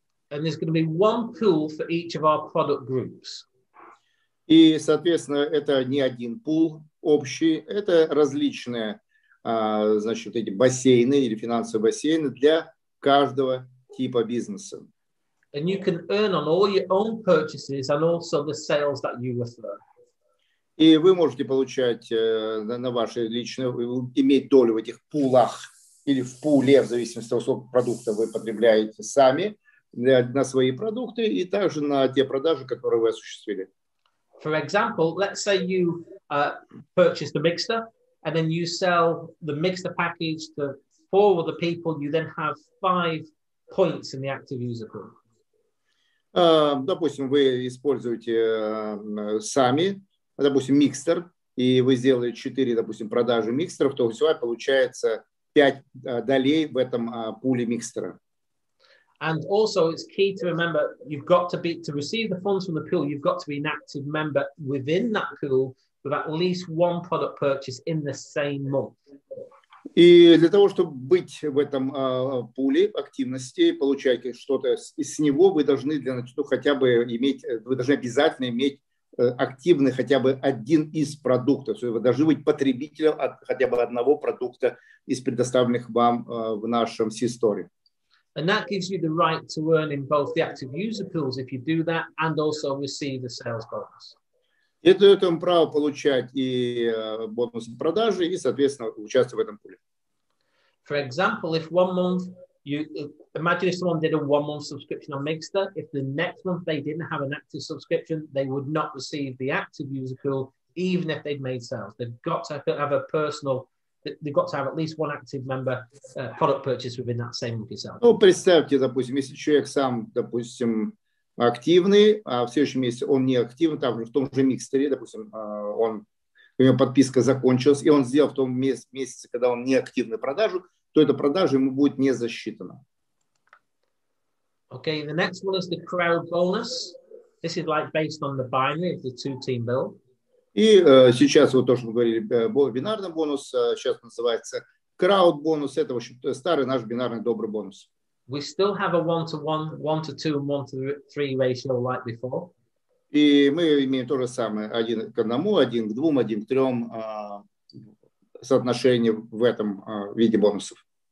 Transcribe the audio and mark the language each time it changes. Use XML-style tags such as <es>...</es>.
<en>And there's going to be one pool for each of our product groups.</en> <ru>И, соответственно, это не один пул общий, это различные значит, эти бассейны или финансовые бассейны для каждого типа бизнеса.</ru> <en>And you can earn on all your own purchases and also the sales that you refer.</en> <ru>И вы можете получать на ваши личные, иметь долю в этих пулах или в пуле, в зависимости от того, сколько продуктов вы потребляете сами на свои продукты и также на те продажи, которые вы осуществили.</ru> <en>For example, let's say you purchase the mixer. And then you sell the mixer package to four other people. You then have 5 points in the active user pool.</en> <ru>Допустим, вы используете сами, допустим, микстер, и вы сделали 4, допустим, продажи микстеров, то у вас получается 5 долей в этом пуле микстера.</ru> <en>And also, it's key to remember you've got to be to receive the funds from the pool. You've got to be an active member within that pool. With at least one product purchase in the same month.</en> <ru>И для того, чтобы быть в этом пуле активности, получать что-то с него, вы должны для начала хотя бы иметь, вы должны обязательно иметь активный хотя бы один из продуктов. То есть вы должны быть потребителем от хотя бы одного продукта из предоставленных вам в нашем C-Store.</ru> <en>And that gives you the right to earn in both the active user pools if you do that, and also receive the sales bonus.</en> <ru>Это дает вам право получать и бонусы продажи, и, соответственно, участвовать в этом пуле.</ru> <en>For example, if one month you imagine if someone did a 1 month subscription on Mixer, if the next month they didn't have an active subscription, they would not receive the active user pool, even if they'd made sales. They've got to have a personal, they've got to have at least one active member product purchase within that same month itself.</en> <ru>Ну, представьте, допустим, если человек сам, допустим, активный, а в следующем месяце он не активен, там в том же микстере, допустим, он, у него подписка закончилась, и он сделал в том месяце, когда он не активный продажу, то эта продажа ему будет не засчитана.</ru> <en>Okay, the next one is the crowd bonus. This is like based on the binary of the two-team build.</en> <ru>И сейчас вот то, что мы говорили, бинарный бонус, сейчас называется crowd бонус, это, в общем-то, старый наш бинарный добрый бонус.</ru> <en>We still have a 1-to-1, 1-to-2, and 1-to-3 ratio like before.</en> <ru>И мы имеем то же самое, 1-к-1, 1-к-2, 1-к-3 соотношение в этом виде бонусов.</ru>